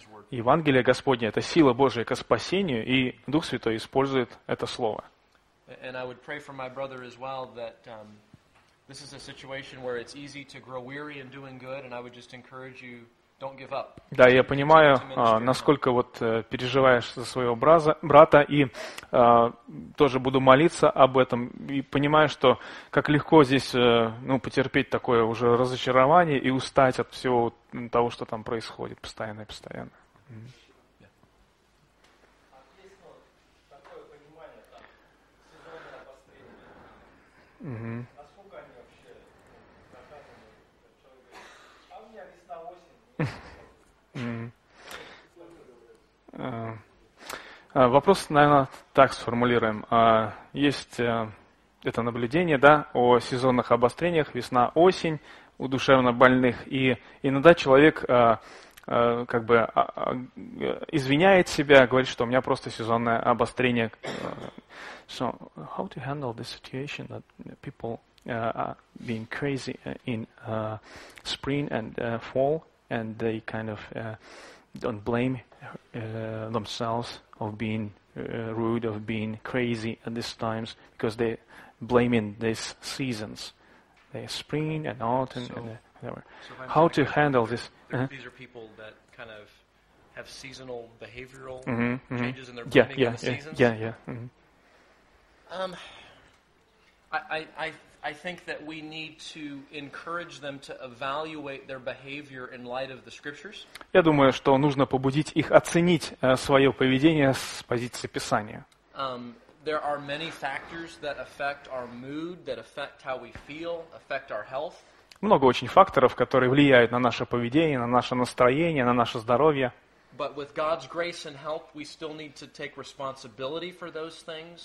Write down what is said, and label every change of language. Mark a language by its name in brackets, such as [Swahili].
[Russian] Евангелие Господне — это сила Божия ко спасению, и Дух Святой использует это слово. [English] And I would pray for my brother as well that this is a situation where it's easy to grow weary in doing good, and I would just encourage you. Don't give up. [Russian] Да, я понимаю, насколько вот переживаешь за своего брата, и тоже буду молиться об этом, и понимаю, что как легко здесь потерпеть такое уже разочарование и устать от всего того, что там происходит постоянно и постоянно. Вопрос, наверное, так сформулируем. Есть это наблюдение, да, о сезонных обострениях, весна-осень у душевнобольных, и иногда человек как бы извиняет себя, говорит, что у меня просто сезонное обострение. [English] So, how to handle the situation that people are being crazy in spring and fall, and they kind of don't blame themselves of being rude, of being crazy at these times, because they blaming these seasons, the spring and autumn, so, and whatever. How to handle this? These are people that kind of have seasonal behavioral changes in their blaming the seasons. I think that we need to encourage them to evaluate their behavior in light of the scriptures. [Russian] Я думаю, что нужно побудить их оценить свое поведение с позиции Писания. [English] There are many factors that affect our mood, that affect how we feel, affect our health. [Russian] Много очень факторов, которые влияют на наше поведение, на наше настроение, на наше здоровье. [English] But with God's grace and help, we still need to take responsibility for those things.